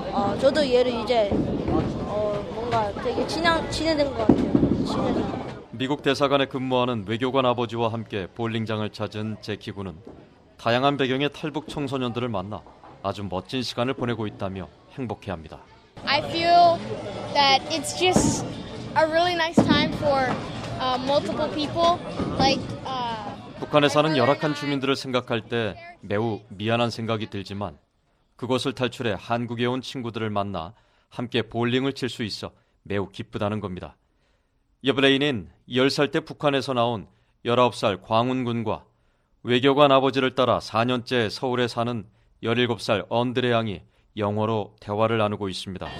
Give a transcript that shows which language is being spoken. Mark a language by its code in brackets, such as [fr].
[ko] 그래서 저도 얘를 이제 뭔가 되게 친해진 것 같아요. 미국 대사관에 근무하는 외교관 아버지와 함께 볼링장을 찾은 제키 군은 다양한 배경의 탈북 청소년들을 만나 아주 멋진 시간을 보내고 있다며 행복해합니다. [en] I feel that it's just a really nice time for multiple people. Like [ko] 북한에 사는 열악한 주민들을 생각할 때 매우 미안한 생각이 들지만 그곳을 탈출해 한국에 온 친구들을 만나 함께 볼링을 칠 수 있어 매우 기쁘다는 겁니다. 여블레인은 10살 때 북한에서 나온 19살 광훈 군과 외교관 아버지를 따라 4년째 서울에 사는 17살 언드레 양이 영어로 대화를 나누고 있습니다.